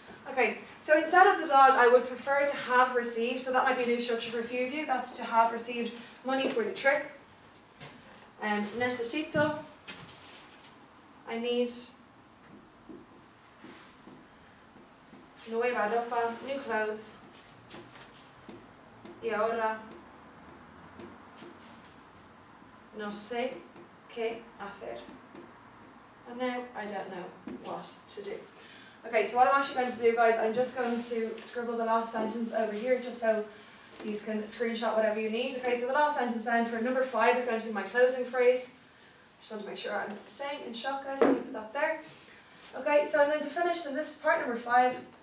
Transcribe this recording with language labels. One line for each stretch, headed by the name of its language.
English: Okay, so instead of the dog, I would prefer to have received, so that might be a new structure for a few of you, that's to have received money for the trip.
Spanish: Necesito,
English: I need,
Spanish: nueva ropa,
English: new clothes,
Spanish: y ahora no sé qué hacer.
English: And now I don't know what to do. Okay, so what I'm actually going to do, guys, I'm just going to scribble the last sentence over here just so you can screenshot whatever you need. Okay, so the last sentence then for number 5 is going to be my closing phrase. Just want to make sure I'm staying in shot, guys. Let me put that there. Okay, so I'm going to finish, and this is part number 5.